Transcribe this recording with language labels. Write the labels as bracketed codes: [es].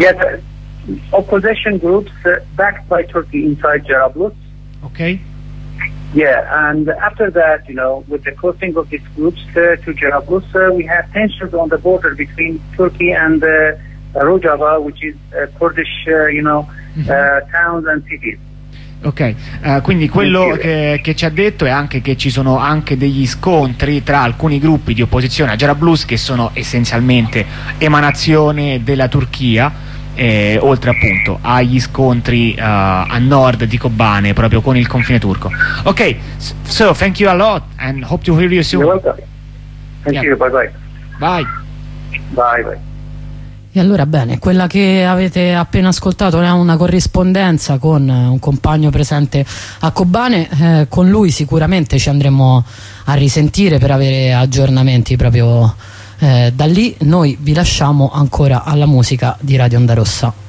[en] Yes, opposition groups backed by Turkey inside Jarablus. Okay. Yeah, and after that, you know, with the crossing of these groups to Jarablus, we have tensions on the border between Turkey and Rojava, which is Kurdish, towns and cities. [it] Ok, quindi quello che ci ha detto è anche che ci sono anche degli scontri tra alcuni gruppi di opposizione a Jarablus, che sono essenzialmente emanazione della Turchia. Oltre appunto agli scontri a nord di Kobane, proprio con il confine turco. [en] Ok, so thank you a lot and hope to hear you soon. You're welcome. Thank you, bye. Bye. [it] E allora, bene, quella che avete appena ascoltato è una corrispondenza con un compagno presente a Kobane. Con lui sicuramente ci andremo a risentire per avere aggiornamenti proprio da lì. Noi vi lasciamo ancora alla musica di Radio Onda Rossa.